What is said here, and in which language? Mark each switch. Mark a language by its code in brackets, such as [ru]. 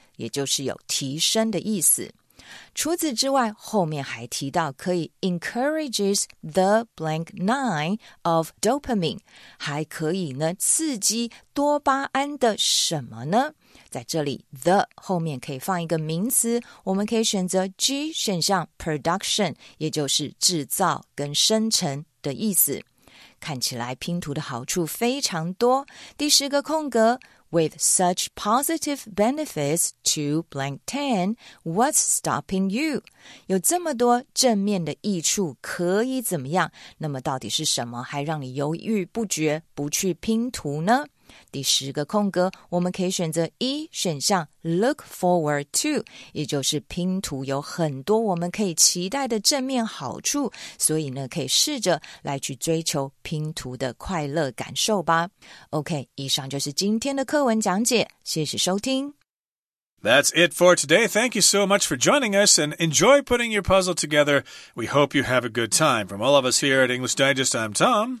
[zh] 也就是有提升的意思。除此之外，后面还提到可以 [en] encourages the blank nine of dopamine， [zh] 还可以呢刺激多巴胺的什么呢？在这里 the 后面可以放一个名词，我们可以选择 G 选项 production， 也就是制造跟生成的意思。看起来拼图的好处非常多。第十个空格。 [en] With such positive benefits to blank 10, what's stopping you? [zh] 有这么多正面的益处可以怎么样？那么到底是什么还让你犹豫不决不去拼图呢？第十个空格，我们可以选择一选项 look forward to, 也就是拼图有很多我们可以期待的正面好处，所以呢，可以试着来去追求拼图的快乐感受吧。 OK, 以上就是今天的课文讲解，谢谢收听。 [en] That's it for today. Thank you so much for joining us and enjoy putting your puzzle together. We hope you have a good time. From all of us here at English Digest, I'm Tom.